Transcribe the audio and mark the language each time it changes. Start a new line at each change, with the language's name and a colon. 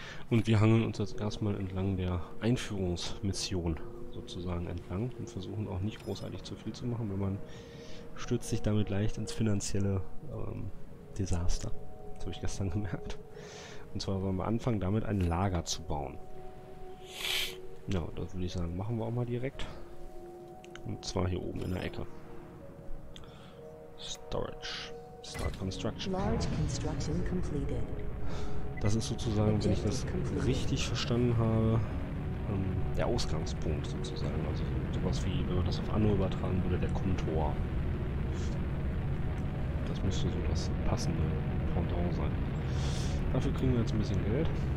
German: Und wir hangeln uns jetzt erstmal entlang der Einführungsmission sozusagen entlang und versuchen auch nicht großartig zu viel zu machen, weil man stürzt sich damit leicht ins finanzielle Desaster. Das habe ich gestern gemerkt. Und zwar wollen wir anfangen, damit ein Lager zu bauen. Ja, das würde ich sagen, machen wir auch mal direkt. Und zwar hier oben in der Ecke.
English: Storage. Start Construction. Large construction completed.
German: Das ist sozusagen, wenn ich das richtig verstanden habe, der Ausgangspunkt sozusagen. Also sowas wie, wenn man das auf Anno übertragen würde, der Kontor. Das müsste so das passende Pendant sein. Dafür kriegen wir jetzt ein bisschen Geld.